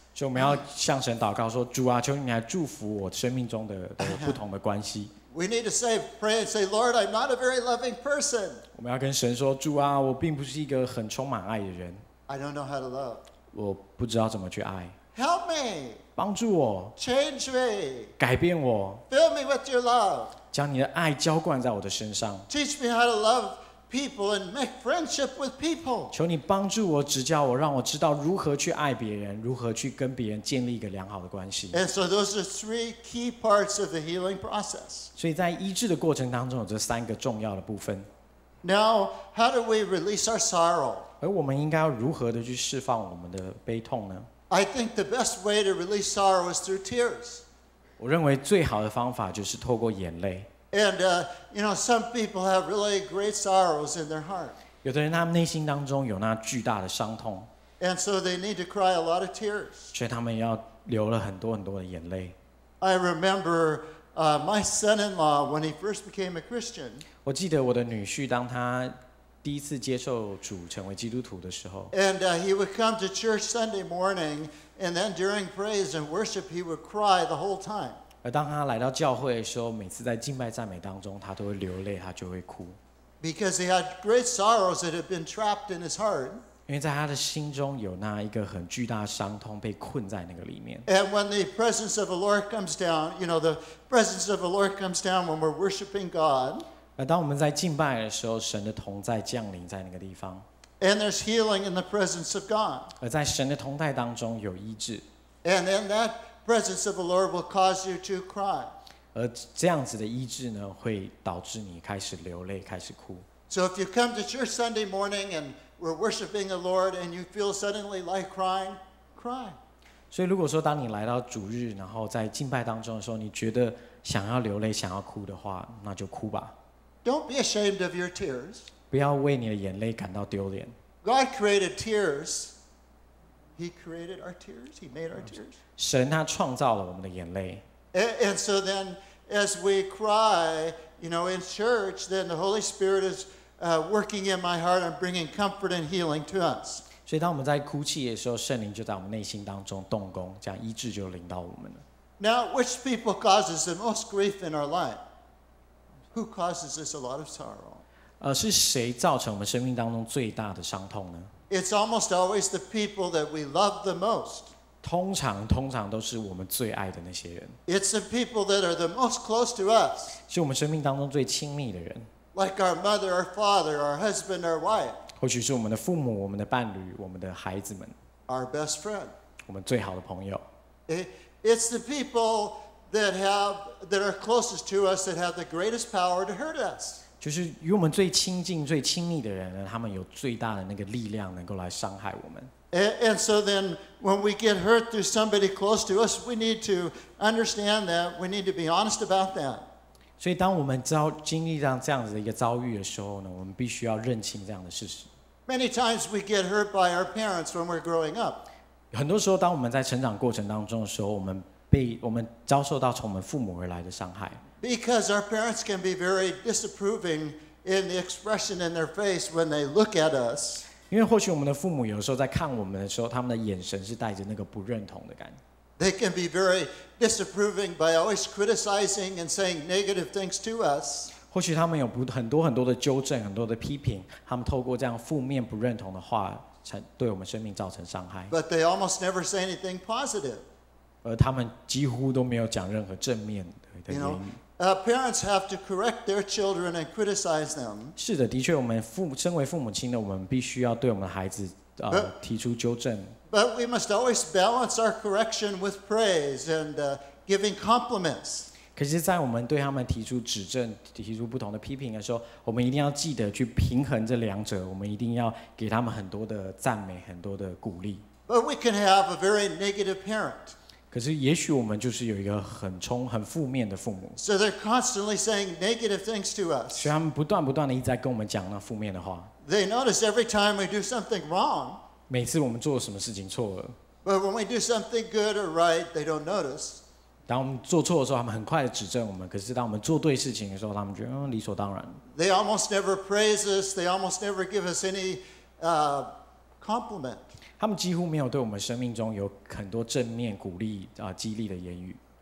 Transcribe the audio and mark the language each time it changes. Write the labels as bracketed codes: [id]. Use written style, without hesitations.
[zh] 所以我们要向神祷告说，主啊，求你来祝福我生命中的不同的关系。 [en] We need to say, pray and say, Lord, I'm not a very loving person. [zh] 我们要跟神说，主啊，我并不是一个很充满爱的人。 [en] I don't know how to love. [zh] 我不知道怎么去爱。 [en] Help me. [zh] 帮助我。 [en] Change me. [zh] 改变我。 [en] Fill me with your love. [zh] 将你的爱浇灌在我的身上。 [en] Teach me how to love people and make friendship with people. [zh] 求你帮助我、指教我，让我知道如何去爱别人，如何去跟别人建立一个良好的关系。 [en] And so those are three key parts of the healing process. [zh] 所以在医治的过程当中，有这三个重要的部分。 [en] Now, how do we release our sorrow? [zh] 而我们应该要如何的去释放我们的悲痛呢？ [en] I think the best way to release sorrow is through tears. [zh] 我认为最好的方法就是透过眼泪。 [en] And you know, some people have really great sorrows in their heart. [zh] 有的人他们内心当中有那巨大的伤痛。 [en] And so they need to cry a lot of tears. [zh] 所以他们要流了很多很多的眼泪。 [en] I remember my son-in-law when he first became a Christian. [zh] 我记得我的女婿当他第一次接受主成为基督徒的时候。 [en] And he would come to church Sunday morning, and then during praise and worship, he would cry the whole time. [zh] 而当他来到教会的时候，每次在敬拜赞美当中，他都会流泪，他就会哭。 [en] Because he had great sorrows that had been trapped in his heart. [zh] 因为在他的心中有那一个很巨大的伤痛被困在那个里面。 [en] And when the presence of the Lord comes down, you know, the presence of the Lord comes down when we're worshiping God. [zh] 而当我们在敬拜的时候，神的同在降临在那个地方。 [en] And there's healing in the presence of God. [zh] 而在神的同在当中有医治。 [en] And then that. Presence of the Lord will cause you to cry. [zh] 而这样子的医治呢，会导致你开始流泪，开始哭。 [en] So if you come to church Sunday morning and we're worshiping the Lord and you feel suddenly like crying, cry. [zh] 所以如果说当你来到主日，然后在敬拜当中的时候，你觉得想要流泪、想要哭的话，那就哭吧。 [en] Don't be ashamed of your tears. [zh] 不要为你的眼泪感到丢脸。 [en] God created tears. He created our tears. He made our tears. [zh] 神他创造了我们的眼泪。 [en] And so then, as we cry, you know, in church, then the Holy Spirit is working in my heart and bringing comfort and healing to us. [zh] 所以当我们在哭泣的时候，圣灵就在我们内心当中动工，这样医治就临到我们了。 [en] Now, which people causes the most grief in our life? Who causes us a lot of sorrow? [zh] 是谁造成我们生命当中最大的伤痛呢？ [en] It's almost always the people that we love the most. [zh] 通常都是我们最爱的那些人。 [en] It's the people that are the most close to us. [zh] 是我们生命当中最亲密的人。 [en] Like our mother, our father, our husband, our wife. [zh] 或许是我们的父母、我们的伴侣、我们的孩子们。 [en] Our best friend. [zh] 我们最好的朋友。 [en] It's the people that are closest to us that have the greatest power to hurt us. [zh] 就是与我们最亲近、最亲密的人呢，他们有最大的那个力量能够来伤害我们。 [en] And so then, when we get hurt through somebody close to us, we need to understand that. We need to be honest about that. [zh] 所以当我们经历上这样子的一个遭遇的时候呢，我们必须要认清这样的事实。 [en] Many times we get hurt by our parents when we're growing up. [zh] 很多时候，当我们在成长过程当中的时候，我们遭受到从我们父母而来的伤害。 [en] Because our parents can be very disapproving in the expression in their face when they look at us. [zh] 因为或许我们的父母有时候在看我们的时候，他们的眼神是带着那个不认同的感觉。 [en] They can be very disapproving by always criticizing and saying negative things to us. [zh] 或许他们有很多很多的纠正，很多的批评，他们透过这样负面不认同的话，对我们生命造成伤害。 [en] But they almost never say anything positive. [zh] 而他们几乎都没有讲任何正面的言语。 [en] You know,parents have to correct their children and criticize them. [zh] 是的，的确，我们身为父母亲的，我们必须要对我们的孩子提出纠正。 [en] But we must always balance our correction with praise and giving compliments. [zh] 可是，在我们对他们提出指正、提出不同的批评的时候，我们一定要记得去平衡这两者。我们一定要给他们很多的赞美、很多的鼓励。 [en] But we can have a very negative parent. [zh] 可是也许我们就是有一个很负面的父母。 [en] So they're constantly saying negative things to us. [zh] 所以他们不断地一直在跟我们讲那负面的话。 [en] They notice every time we do something wrong. [zh] 每次我们做什么事情错了。 [en] But when we do something good or right, they don't notice. [zh] 当我们做错的时候，他们很快地指正我们。可是当我们做对事情的时候，他们觉得理所当然。 [en] They almost never praise us. They almost never give us any compliment. [zh] 他们几乎没有对我们生命中有很多正面鼓励、激励的言语。